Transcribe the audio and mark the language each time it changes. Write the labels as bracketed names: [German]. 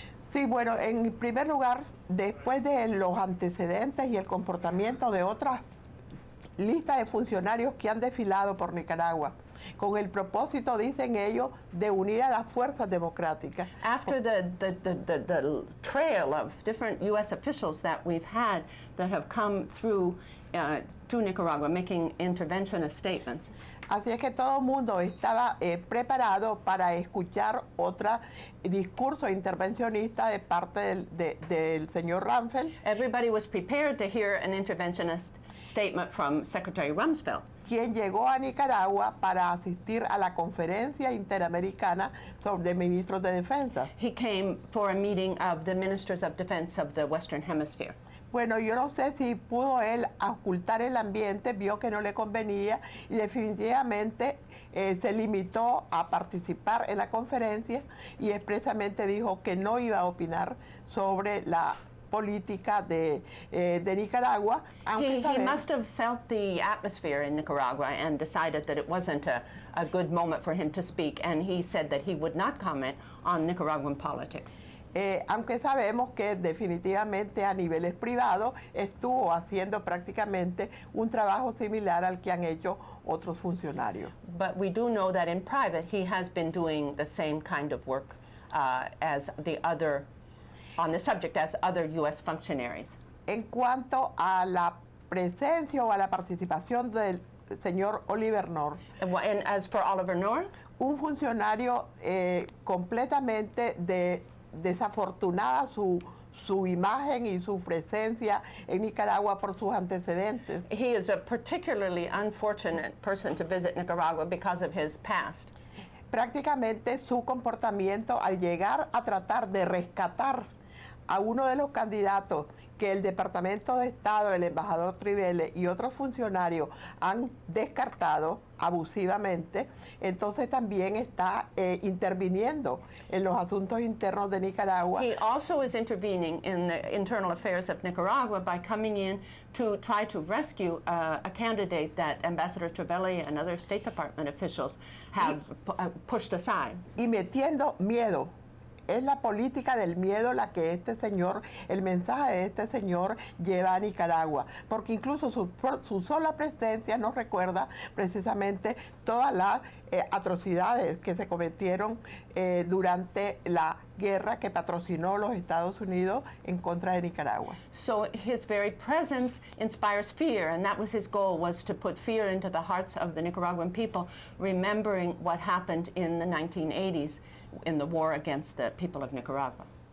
[Spanish] Sí, bueno, en primer lugar, después de los antecedentes y el comportamiento de otras listas de funcionarios que han desfilado por Nicaragua, con el propósito, dicen ellos, de unir a las fuerzas democráticas. [English] After the trail of different U.S. officials that we've had that have come through to Nicaragua making interventionist statements. [Spanish] Así es que todo mundo estaba preparado para escuchar otro discurso intervencionista de parte del señor Rumsfeld. [English] Everybody was prepared to hear an interventionist statement from Secretary Rumsfeld, [Spanish] quien llegó a Nicaragua para asistir a la conferencia interamericana sobre ministros de defensa. [English] He came for a meeting of the ministers of defense of the Western Hemisphere. [Spanish] Bueno, yo no sé si pudo él ocultar el ambiente, vio que no le convenía y definitivamente se limitó a participar en la conferencia y expresamente dijo que no iba a opinar sobre la política de Nicaragua. [English] He must have felt the atmosphere in Nicaragua and decided that it wasn't a good moment for him to speak, and he said that he would not comment on Nicaraguan politics. [Spanish] Aunque sabemos que definitivamente a niveles privados estuvo haciendo prácticamente un trabajo similar al que han hecho otros funcionarios. [English] But we do know that in private he has been doing the same kind of work as the other on the subject as other U.S. functionaries. [Spanish] En cuanto a la presencia o a la participación del señor Oliver North. [English] And as for Oliver North, [Spanish] un funcionario completamente desafortunada su imagen y su presencia en Nicaragua por sus antecedentes. [English] He is a particularly unfortunate person to visit Nicaragua because of his past. [Spanish] Prácticamente su comportamiento al llegar a tratar de rescatar a uno de los candidatos que el Departamento de Estado, el embajador Trivelle y otros funcionarios han descartado abusivamente, entonces también está interviniendo en los asuntos internos de Nicaragua. [English] He also is intervening in the internal affairs of Nicaragua by coming in to try to rescue a candidate that Ambassador Trivelle and other State Department officials have pushed aside. [Spanish] Y metiendo miedo. Es la política del miedo la que este señor, el mensaje de este señor lleva a Nicaragua, porque incluso su sola presencia nos recuerda precisamente todas las atrocidades que se cometieron durante la guerra que patrocinó los Estados Unidos en contra de Nicaragua. [English] So his very presence inspires fear, and that was his goal, was to put fear into the hearts of the Nicaraguan people, remembering what happened in the 1980s. In the war against the people of Nicaragua.